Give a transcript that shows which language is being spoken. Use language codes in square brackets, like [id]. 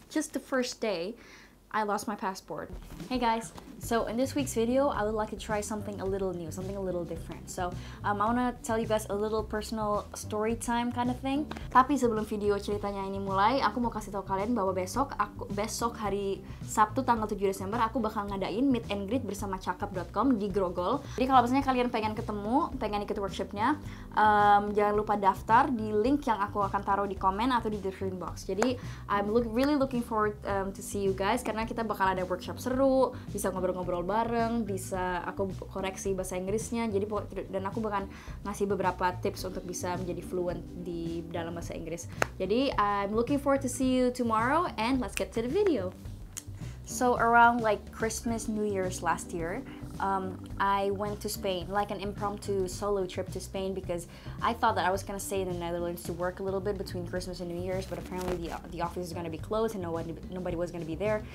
[en] just the first day, I lost my passport. Hey guys, so in this week's video, I would like to try something a little new, something a little different. So I wanna tell you guys a little personal story time kind of thing. [id] Tapi sebelum video ceritanya ini mulai, aku mau kasih tau kalian bahwa besok hari Sabtu tanggal 7 Desember, aku bakal ngadain meet and greet bersama cakep.com di Grogol. Jadi kalau misalnya kalian pengen ketemu, pengen ikut workshopnya, jangan lupa daftar di link yang aku akan taruh di komen atau di description box. [en] Jadi I'm really looking forward to see you guys. [id] Karena kita bakal ada workshop seru, bisa ngobrol-ngobrol bareng, bisa aku koreksi bahasa Inggrisnya, jadi dan aku bakal ngasih beberapa tips untuk bisa menjadi fluent di dalam bahasa Inggris. [en] Jadi I'm looking forward to see you tomorrow and let's get to the video. So around like Christmas, New Year's last year, I went to Spain, like an impromptu solo trip to Spain, because I thought that I was gonna stay in the Netherlands to work a little bit between Christmas and New Year's, but apparently the office is gonna be closed and nobody was gonna be there.